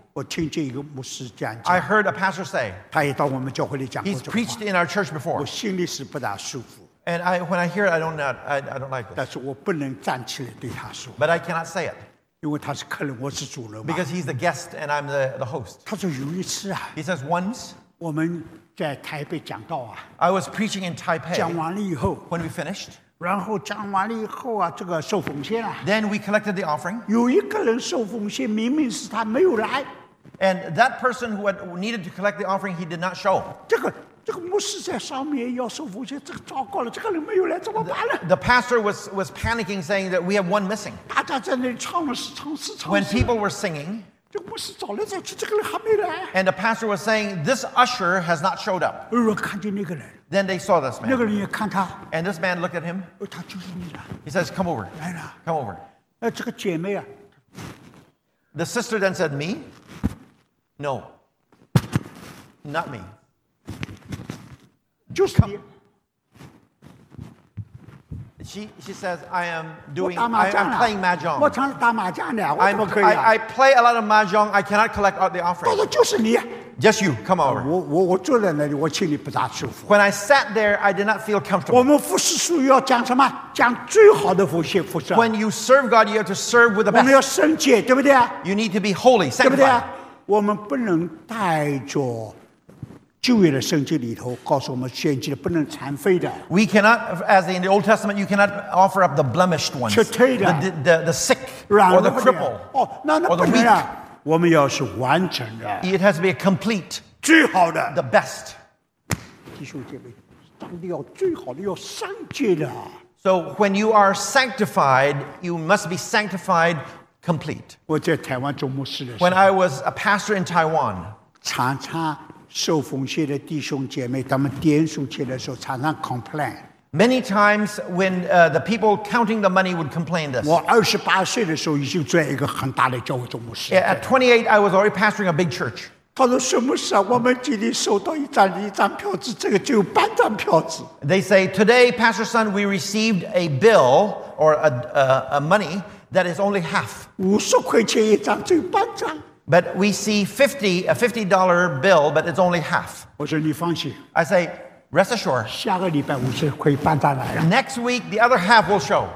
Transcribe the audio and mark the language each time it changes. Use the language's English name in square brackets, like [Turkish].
[Chinese] 我听见一个牧师这样讲。 [English] I heard a pastor say. [Chinese] 他也到我们教会里讲过这话。 [English] He's preached in our church before. 我心里是不大舒服。 And I, when I hear it, I don't like this. That's what I don't like this. But I cannot say it. [Chinese] 因为他是客人，我是主人嘛。 [English] Because he's the guest and I'm the host. [Chinese] 他说有一次啊。 [English] He says once. [Chinese] 我们在台北讲道啊。 [English] I was preaching in Taipei. [Chinese] 讲完了以后。 [English] When we finished. [Chinese] 然后讲完了以后啊，这个受奉献了。 [English] Then we collected the offering. [Chinese] 有一个人受奉献，明明是他没有来。 [English] And that person who had needed to collect the offering, he did not show. [Chinese] 这个牧师在上面要受奉献，这个糟糕了，这个人没有来，怎么办呢？ [English] The pastor was panicking, saying that we have one missing. [Chinese] 大家在那里唱了十唱四唱。 [English] When people were singing. [Chinese] 这个牧师找来找去，这个人还没来。 [English] And the pastor was saying, this usher has not showed up. [Chinese] 我看见那个人。 [English] Then they saw this man. [Chinese] 那个人也看他。 [English] And this man looked at him. [Chinese] 他就是你了。 [English] He says, come over. [Chinese] 来了。 [English] Come over. [Chinese] 这个姐妹啊。 [English] The sister then said, me? No. Not me. [Chinese] 就是你。 [English] She says, I am doing, I'm playing mahjong. [Chinese] 我常打麻将的，我怎么可以啊？ [English] I play a lot of mahjong. I cannot collect the offering. [Chinese] 他说就是你。 [English] Just you, come over. [Chinese] 我坐在那里，我心里不大舒服。 [English] When I sat there, I did not feel comfortable. [Chinese] 我们服侍主要讲什么？讲最好的服侍，服侍。 [English] When you serve God, you have to serve with the best. [Chinese] 我们要圣洁，对不对啊？ [English] You need to be holy, sanctified. [Chinese] 对不对啊？我们不能带着。旧约的圣经里头告诉我们，献祭不能残废的。 [English] We cannot, as in the Old Testament, you cannot offer up the blemished ones, the sick or the cripple or the weak. [Chinese] 我们要是完整的 [English] ，it has to be a complete, [Chinese] 最好的 [English] ，the best. [Chinese] 弟兄姐妹，当你要最好的，要圣洁的。 [English] So when you are sanctified, you must be sanctified complete. [Chinese] 我在台湾做牧师的时候 [English] ，when I was a pastor in Taiwan, [Chinese] 常常。受奉献的弟兄姐妹，他们点数起来的时候，常常 complain。 [English] Many times when the people counting the money would complain this. [Chinese] 我二十八岁的时候已经做一个很大的教会总牧师。 [English] At 28, I was already pastoring a big church. [Chinese] 他说：“什么事啊？我们今天收到一张票子，这个只有半张票子。” [English] They say today, Pastor Sun, we received a bill or a money that is only half. [Chinese] 五十块钱一张，只有半张。 [English] But we see a $50 bill, but it's only half. [Chinese] 我说你放心。 [English] I say, rest assured. [Chinese] 下个礼拜五十块半张来了。 [English] Next week, the other half will show.